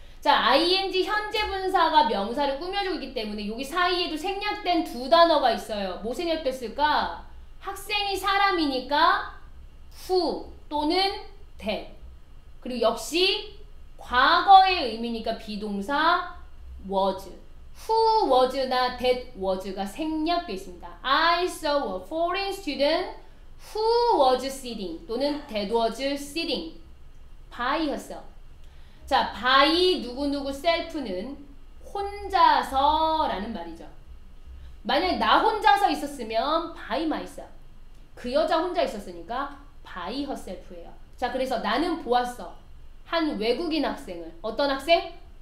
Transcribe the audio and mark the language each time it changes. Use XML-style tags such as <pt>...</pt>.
<ko>자, ing 현재 분사가 명사를 꾸며주기 때문에 여기 사이에도 생략된 두 단어가 있어요. 뭐 생략됐을까? 학생이 사람이니까 who 또는 that. 그리고 역시 과거의 의미니까 비동사 was. Who was나 that was가 생략되어 있습니다.</ko> <en>I saw a foreign student who was sitting</en> <ko>또는</ko> <en>that was sitting by herself.</en> <ko>자, by 누구누구 셀프는 혼자서 라는 말이죠. 만약에 나 혼자서 있었으면 by myself. 그 여자 혼자 있었으니까 by herself예요. 자, 그래서 나는 보았어. 한 외국인 학생을. 어떤 학생?</ko>